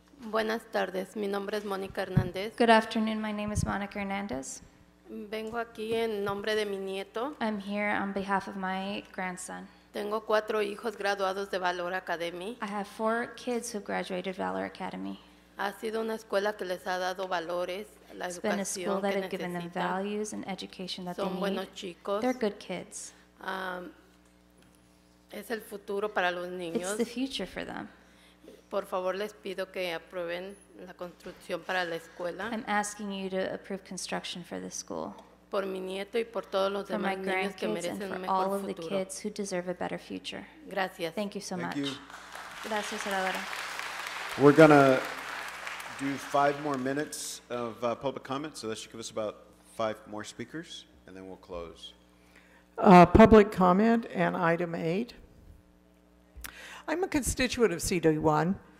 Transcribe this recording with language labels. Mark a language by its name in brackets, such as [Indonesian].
[Spanish] Buenas tardes, mi nombre es Monica Hernandez. [English] Good afternoon, my name is Monica Hernandez. [Spanish] Vengo aquí en nombre de mi nieto. [English] I'm here on behalf of my grandson. [Spanish] Tengo cuatro hijos graduados de Valor Academy. [English] I have four kids who graduated Valor Academy. [Spanish] Ha sido una escuela que les ha dado valores, la educación que necesitan. [English] It's been a school that has given them values and education that they need. [Spanish] Son buenos chicos. [English] They're good kids. [Spanish] Es el futuro para los niños. [English] It's the future for them. [Spanish] Por favor, les pido que aprueben la construcción para la escuela. [English] I'm asking you to approve construction for the school. [Spanish] Por mi nieto y por todos los demás niños que merecen un mejor futuro. [English] For all of the kids who deserve a better future. [Spanish] Gracias. [English] Thank you so much. Thank you. [Spanish] Gracias, senadora. [English] We're going to do 5 more minutes of public comment, so that should give us about 5 more speakers, and then we'll close. Public comment and item 8. I'm a constituent of CD1.